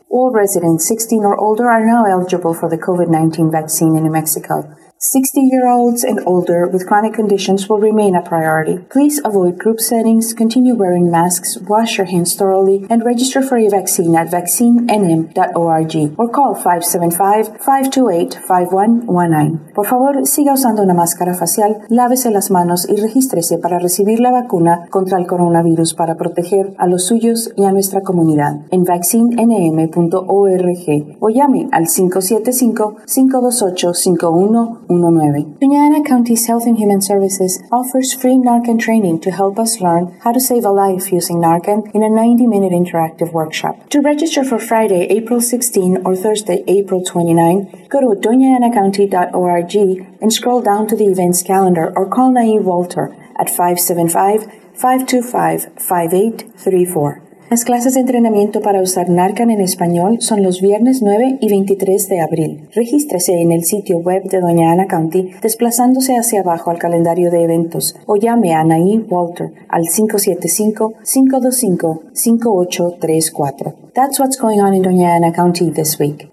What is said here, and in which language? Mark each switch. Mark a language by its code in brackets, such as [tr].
[en] All residents 16 or older are now eligible for the COVID-19 vaccine in New Mexico. 60-year-olds and older with chronic conditions will remain a priority. Please avoid group settings, continue wearing masks, wash your hands thoroughly, and register for your vaccine at vaccinenm.org or call 575-528-5119. [es] Por favor, siga usando una máscara facial, lávese las manos y regístrese para recibir la vacuna contra el coronavirus para proteger a los suyos y a nuestra comunidad en vaccinenm.org o llame al 575-528-5119. [en] Doñana County's Health and Human Services offers free Narcan training to help us learn how to save a life using Narcan in a 90-minute interactive workshop. To register for Friday, April 16 or Thursday, April 29, go to doñanacounty.org and scroll down to the events calendar or call Naive Walter at 575-525-5834. [es] Las clases de entrenamiento para usar Narcan en español son los viernes 9 y 23 de abril. Regístrese en el sitio web de Doñana County desplazándose hacia abajo al calendario de eventos o llame a Naive Walter al 575-525-5834. [en] That's what's going on in Doñana County this week.